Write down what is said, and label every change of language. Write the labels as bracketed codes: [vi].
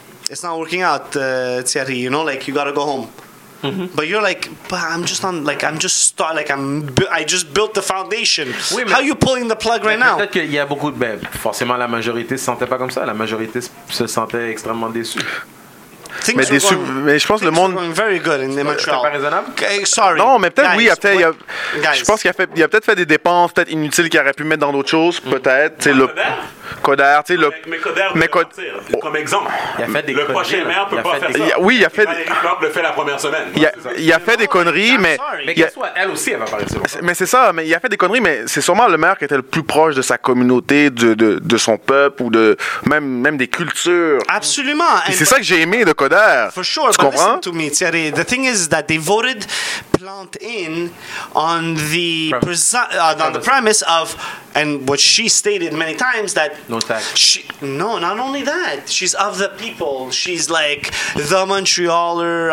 [en] It's not working out, Thierry, you know, like, you gotta go home. Mm-hmm. But you're like, but I'm just on, like, I'm just start, like, I'm, I just built the foundation. [fr] Oui, [en] how are you pulling the plug right now? [fr] Peut-être qu'il y a beaucoup de, ben, forcément, la majorité se sentait pas comme ça, la majorité se sentait extrêmement déçue. Mais je pense que le monde. C'est pas raisonnable. [en] Sorry. [fr] Non, mais peut-être, je pense qu'il a peut-être fait des dépenses peut-être inutiles qu'il aurait pu mettre dans d'autres choses. Peut-être. Mm-hmm. Coderre, tu sais, le. Mais Coderre, comme exemple. Il a fait des le prochain maire peut pas faire ça. Oui, il a fait. Valérie le fait la première semaine. Il a fait des conneries, mais. Elle aussi, elle va parler de ça. Mais c'est ça, mais il a fait des conneries, mais c'est sûrement le maire qui était le plus proche de sa communauté, de son peuple, ou de même des cultures. Absolument. Et c'est ça que j'ai aimé de Coderre. [en] For sure, [fr] tu comprends? [en] Listen to me, Thierry. The thing is that they voted Plant in on the premise of, and what she stated many times, that no tax. She, no, not only that, she's of the people. She's like the Montrealer.